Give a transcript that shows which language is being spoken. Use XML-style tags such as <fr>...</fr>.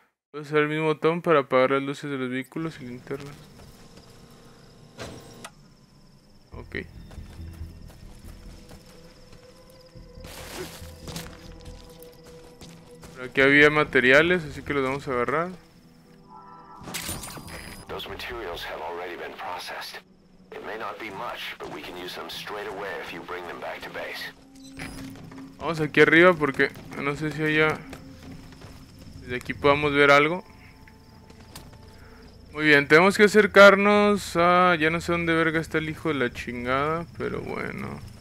<es>Puedes usar el mismo botón para apagar las luces de los vehículos y linternas. Ok. Aquí había materiales, así que los vamos a agarrar.</es> <en>Those materials have already been processed. It may not be much, but we can use them straight away if you bring them back to base.</en> <es>Vamos aquí arriba porque no sé si allá desde aquí podamos ver algo. Muy bien, tenemos que acercarnos a... Ya no sé dónde verga está el hijo de la chingada, pero bueno.</es>